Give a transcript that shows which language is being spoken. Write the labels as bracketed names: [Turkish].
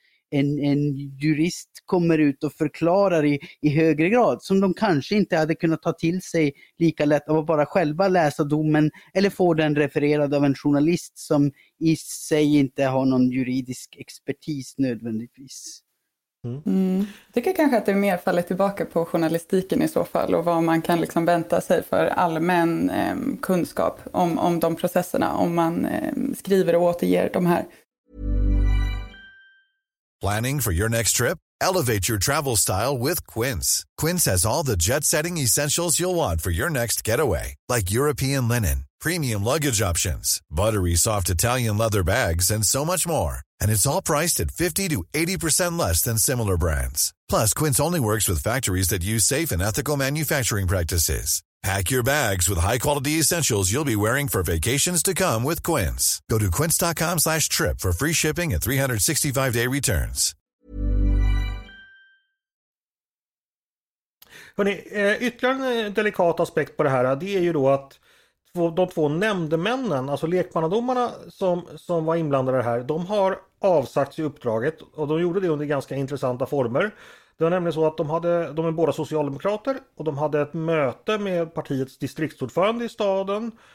[Swedish] en jurist kommer ut och förklarar i högre grad, som de kanske inte hade kunnat ta till sig lika lätt av att bara själva läsa domen eller få den refererad av en journalist som i sig inte har någon juridisk expertis nödvändigtvis. Jag tycker kanske att det mer faller tillbaka på journalistiken i så fall och vad man kan liksom vänta sig för allmän kunskap om de processerna, om man skriver och återger de här. [English] Planning for your next trip? Elevate your travel style with Quince. Quince has all the jet-setting essentials you'll want for your next getaway, like European linen, premium luggage options, buttery soft Italian leather bags, and so much more. And it's all priced at 50 to 80% less than similar brands. Plus, Quince only works with factories that use safe and ethical manufacturing practices. Pack your bags with high-quality essentials you'll be wearing for vacations to come with Quince. Go to quince.com/trip for free shipping and 365-day returns. [Swedish] Hörrni, ytterligare en delikat aspekt på det här, det är ju då att de två nämndemännen, alltså lekmannadomarna som var inblandade här, de har avsagt sig uppdraget och de gjorde det under ganska intressanta former. Det var nämligen så att de är båda socialdemokrater och de hade ett möte med partiets distriktsordförande i staden.